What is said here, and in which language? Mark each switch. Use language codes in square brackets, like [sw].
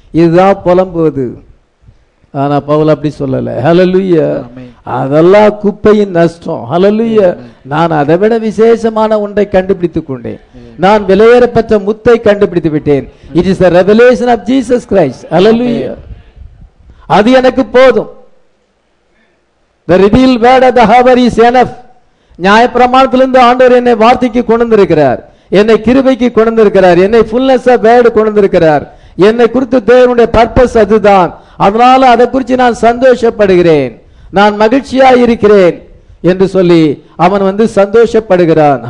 [ta] இதுதான் புலம்புவது. ஆனா பவுல் அப்படி சொல்லலை. ஹல்லேலூயா. அதெல்லாம் குப்பையின் நஷ்டம். ஹல்லேலூயா. நான் அதை விட விசேஷமான ஒன்றை கண்டுபிடித்துக் கொண்டேன். நான் விலையேறப்பட்ட முத்தை கண்டுபிடித்து விட்டேன். [en] It is the revelation of Jesus Christ. [ta] ஹல்லேலூயா. அது எனக்கு போதும். [en] The revealed word of the Father is enough. [ta] நியாயப்பிரமாணத்திலிருந்து ஆண்டவர் என்னை வார்த்தைக்கு கொண்டிருக்கிறார், என்னை கிருபைக்கு கொண்டிருக்கிறார், என்னை [en] fullness of word [ta] கொண்டிருக்கிறார். என்னை குறித்து தேவனுடைய பர்பஸ் அதுதான். அதனால அதை குறித்து நான் சந்தோஷப்படுகிறேன், நான் மகிழ்ச்சியா இருக்கிறேன் என்று சொல்லி அவன் வந்து சந்தோஷப்படுகிறான்.